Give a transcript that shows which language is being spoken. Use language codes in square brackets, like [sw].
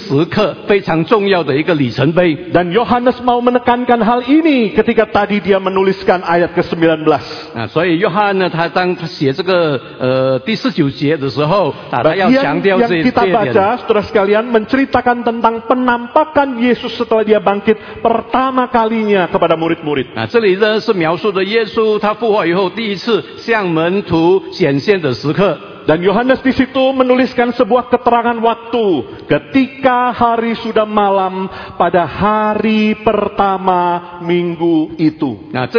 [zh] 这是人类的这个关键时刻非常重要的一个里程碑。 [id] Dan Yohanes mau menekankan hal ini ketika tadi dia menuliskan ayat ke-19. [zh] 所以约翰呢，他当写这个第十九节的时候，他要强调这一点。 [id] Yang kita baca, saudara sekalian, menceritakan tentang penampakan Yesus setelah dia bangkit pertama kalinya kepada murid-murid. [zh] 这里呢是描述的耶稣他复活。复活以后第一次向门徒显现的时刻。 [id] Dan Yohanes di situ menuliskan sebuah keterangan waktu ketika hari sudah malam pada hari pertama minggu itu.